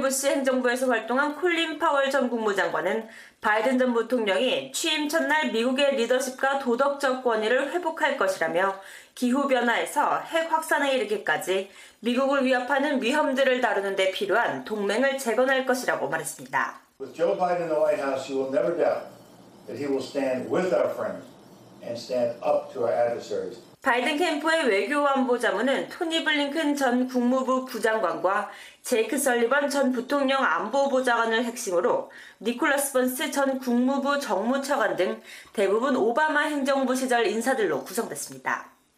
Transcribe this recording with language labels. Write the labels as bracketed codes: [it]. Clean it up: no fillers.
[ko] 부시 행정부에서 활동한 콜린 파월 전 국무장관은 바이든 전 부통령이 취임 첫날 미국의 리더십과 도덕적 권위를 회복할 것이라며 기후변화에서 핵 확산에 이르기까지 미국을 위협하는 위험들을 다루는 데 필요한 동맹을 재건할 것이라고 말했습니다. [en] With Joe Biden in the White House, you will never doubt that he will stand with our friends and stand up to our adversaries. [ko] 바이든 캠프의 외교안보 자문은 토니 블링컨 전 국무부 부장관과 제이크 설리번 전 부통령 안보보좌관을 핵심으로 니콜라스 번스 전 국무부 정무차관 등 대부분 오바마 행정부 시절 인사들로 구성됐습니다.